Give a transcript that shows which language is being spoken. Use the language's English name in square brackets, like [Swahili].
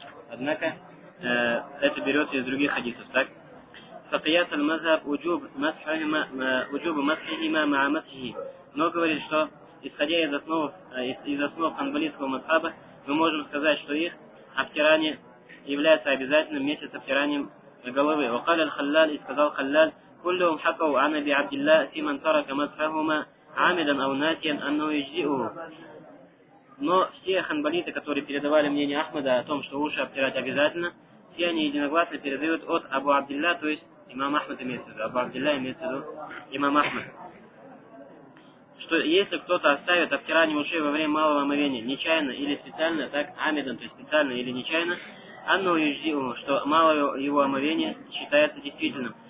[Russian] Однако, это берется из других хадисов, так? [Arabic] Фатаят аль-Мазхаб уджуб масхихима маа масхихи. [Russian] Но говорит, что исходя из основ ханбалийского мазхаба, мы можем сказать, что их обтирание является обязательным вместе с обтиранием головы. [Arabic] وقال الخلال [Russian] и сказал [Arabic] خلال كلهم حكوا عن أبي عبد الله في من ترك مذهبهما عامدا أو ناسيا أنه يجزئه. [Russian] Но все ханбалиты, которые передавали мнение Ахмада о том, что уши обтирать обязательно, все они единогласно передают от Абу Абдилла, то есть имам Ахмад имеется в виду, Абу Абдилла имеется в виду имам Ахмад. Что если кто-то оставит обтирание ушей во время малого омовения нечаянно или специально, так, амидан, то есть специально или нечаянно, [Arabic] анну юждиу, [Russian] что малое его омовение считается действительным.